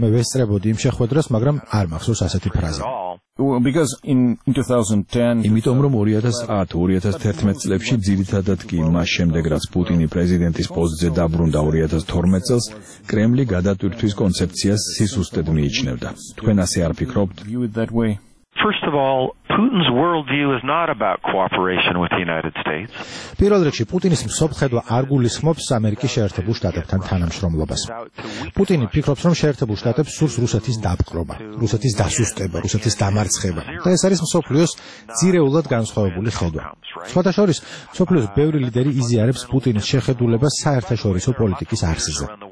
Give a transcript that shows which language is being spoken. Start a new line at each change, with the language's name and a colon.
Georgian: მე ვესწრებოდი იმ შეხვედრას, მაგრამ არ მახსოვს ასეთი ფრაზა.
English: Because in 2010
Georgian: იმიტომ რომ 2010-2011 წლებში ძირითადად კი მას შემდეგ რაც პუტინი პრეზიდენტის პოსტზე დაბრუნდა 2012 წელს კრემლი გადატვირთვის კონცეფციას სისუსტად მიიჩნევდა. თქვენ ასე არ ფიქრობთ?
English: First of all, Putin's worldview is not about cooperation with the United States.
Georgian: პირველ რიგში, პუტინის მსოფლმხედვა არ გულისხმობს ამერიკის შეერთებულ შტატებთან თანამშრომლობას. პუტინი ფიქრობს, რომ შეერთებულ შტატებს სურს რუსეთის დაპყრობა, რუსეთის დასუსტება, რუსეთის დამარცხება. და ეს არის მსოფლიოს ძირეულად განსხვავებული ხედვა. სხვათაშორის, მსოფლიოს ბევრი ლიდერი იზიარებს პუტინის შეხედულებას საერთაშორისო პოლიტიკის არსზე.